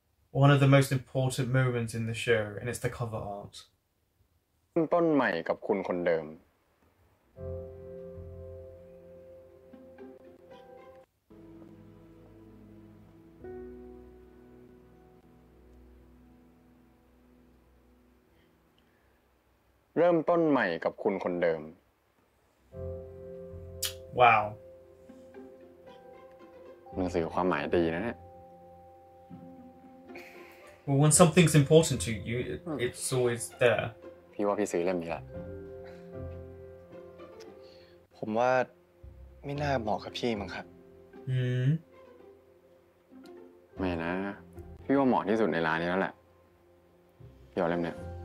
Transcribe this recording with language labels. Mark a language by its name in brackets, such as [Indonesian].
[English] One of the most important moments in the show, and it's the cover art. [Thai] ต้นใหม่กับคุณคนเดิม เริ่มต้นใหม่กับคุณคนเดิม [English] Wow [Thai] มันสื่อความหมายดีนะเนี่ย [English] Well, when something's important to you, it's always there. [Thai] พี่ว่าพี่ซื้อเล่มนี้แหละ ผมว่าไม่น่าเหมาะกับพี่มั้งครับ ไม่นะพี่ว่าเหมาะที่สุดในร้านนี้แล้วแหละพี่เอาเล่มเนี้ย